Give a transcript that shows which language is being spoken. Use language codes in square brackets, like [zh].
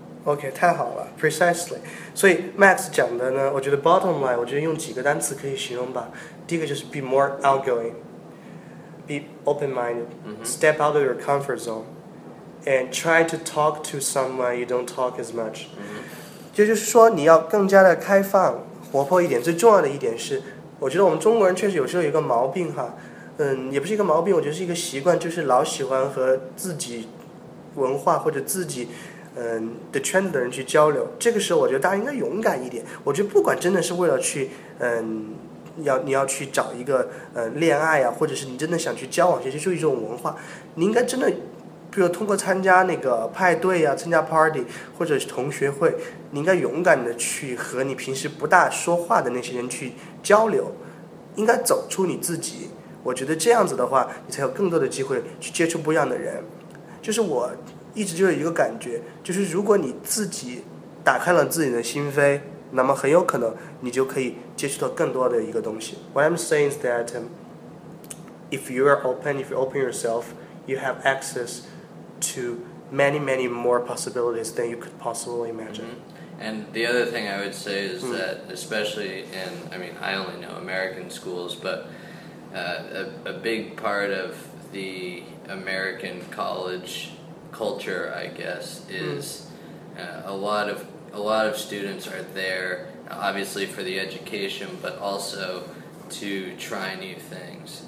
[zh] OK, 太好了 ,precisely. 所以 Max 讲的呢，我觉得 bottom line, 我觉得用几个单词可以形容吧。第一个就是 [en] be more outgoing, be open-minded, step out of your comfort zone, and try to talk to someone you don't talk as much. [zh] 就是说你要更加的开放活泼一点，最重要的一点是，我觉得我们中国人确实有时候有一个毛病哈，也不是一个毛病，我觉得是一个习惯，就是老喜欢和自己文化或者自己的圈子的人去交流，这个时候我觉得大家应该勇敢一点。我觉得不管真的是为了去，你要去找一个恋爱啊，或者是你真的想去交往，其实就是一种文化。你应该真的，比如通过参加那个派对啊，参加 party 或者是同学会，你应该勇敢的去和你平时不大说话的那些人去交流。应该走出你自己，我觉得这样子的话你才有更多的机会去接触不一样的人。就是我一直就有一个感觉，就是如果你自己打开了自己的心扉，那么很有可能你就可以接触到更多的一个东西。 [en] What I'm saying is that if you are open, if you open yourself, you have access to many, many more possibilities than you could possibly imagine. Mm-hmm. And the other thing I would say is that, especially in, I mean, I only know American schools, but a big part of the American college culture, I guess, is a lot of students are there, obviously for the education, but also to try new things.